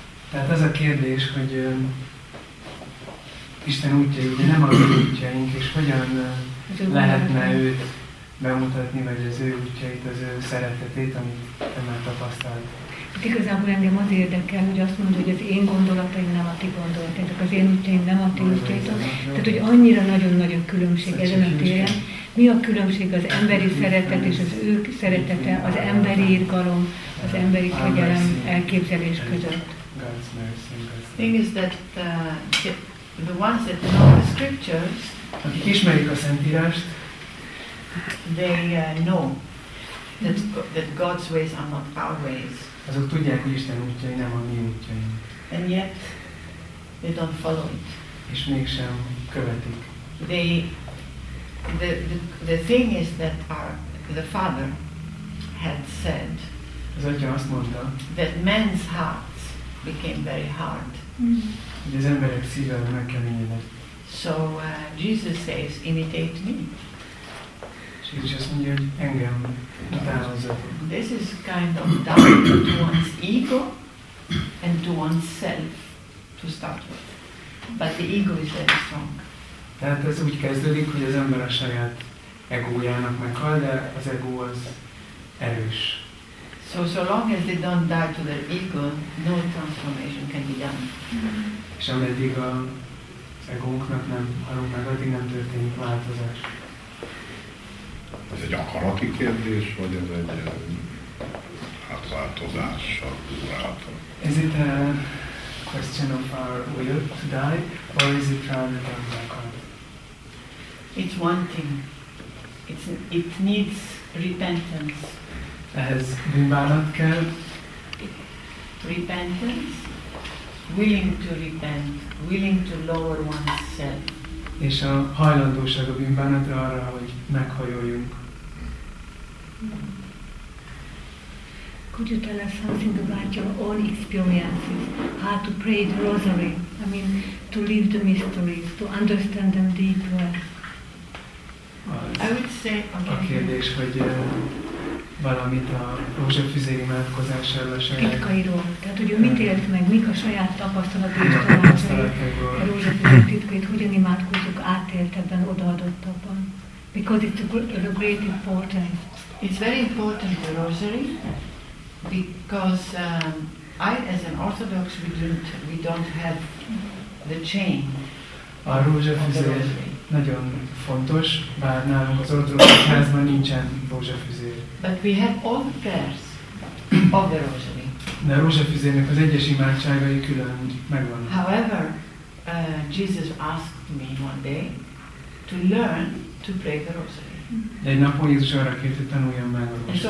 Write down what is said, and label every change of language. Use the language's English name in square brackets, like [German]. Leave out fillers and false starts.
[Hungarian] Tehát az a kérdés, hogy Isten útja, ugye nem a mi útjaink, és hogyan lehetne őt bemutatni, vagy az ő útjait, az ő szeretetét, amit te már tapasztalt. Itt igazából engem az érdekel, hogy azt mondod, hogy az én gondolataim nem a ti gondolataitok, az én útjaim nem a ti útjaitok. Tehát, hogy annyira nagyon-nagyon különbség ezen a téren. Mi a különbség az emberi szeretet és az ő szeretete, az emberi irgalom, az emberi kegyelem elképzelés között? [English] The thing is that the ones that know the scriptures, [Hungarian] akik ismerik a Szentírást, [English] they know that that God's ways are not our ways. [Hungarian] Azok tudják, hogy Isten útjai nem a mi útjaink. [English] And yet they don't follow it. [Hungarian] És mégsem követik. [English] The thing is that the Father had said. [Hungarian] Az Atya azt mondta. [English] That man's heart became very hard. Mm-hmm. [Hungarian] Az emberek szíve megkeményedett. [English] So Jesus says, imitate me. [Hungarian] És Jézus azt mondja, hogy engem utánozzatok. [English] This is kind of doubt to one's ego and to one's self to start with. But the ego is very strong. [Hungarian] Tehát ez úgy kezdődik, hogy az ember a saját egójának meghal, de az ego az erős. [English] So long as they don't die to their ego, no transformation can be done. [Hungarian] És ameddig a egónknak nem halunk meg, addig nem történik változás. Ez egy akarati kérdés, vagy ez egy átváltozással túlálltak? [English] Is it a question of our will to die, or is it rather than the akarat? It's one thing. It needs repentance. [Hungarian] Ehhez bűnbánat kell. [English] Repentance. Willing to repent. Willing to lower oneself. [Hungarian] És a hajlandóság a bűnbánatra arra, hogy meghajoljunk. [English] Could you tell us something about your own experiences? How to pray the rosary? I mean, to live the mysteries, to understand them deeper. I would say, okay. [Hungarian] A kérdés, hogy valamit a rózsafüzéri imádkozással a saját titkairól. Tehát, hogy ő mit élt meg, mik a saját tapasztalat és tanácsai a rózsafüzéri titkait, hogyan imádkozzuk átéltebben, odaadottabban. [English] Because it's a great importance. It's very important, the rosary, because I, as an Orthodox, we don't have the chain. [Hungarian] A rózsafüzér nagyon fontos, bár nálunk az Orthodox házban nincsen rózsafüzér. [English] But we have all the prayers of the rosary. [Hungarian] De a rózsafüzérnek az egyes imádságai külön megvannak. [English] However, Jesus asked me one day to learn to pray the rosary. [Hungarian] De egy napon Jézus arra kérte, hogy tanuljam meg a rózsafüzér.